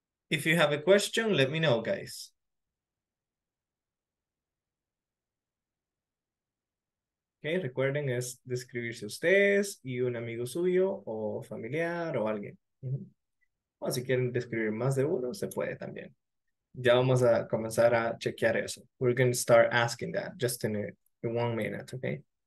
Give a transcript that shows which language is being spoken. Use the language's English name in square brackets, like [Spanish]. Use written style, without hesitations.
[English] If you have a question, let me know, guys. [Spanish] Okay, recuerden es describirse ustedes y un amigo suyo o familiar o alguien. O si quieren describir más de uno, se puede también. Ya vamos a comenzar a chequear eso. [English] We're going to start asking that just in 1 minute, okay?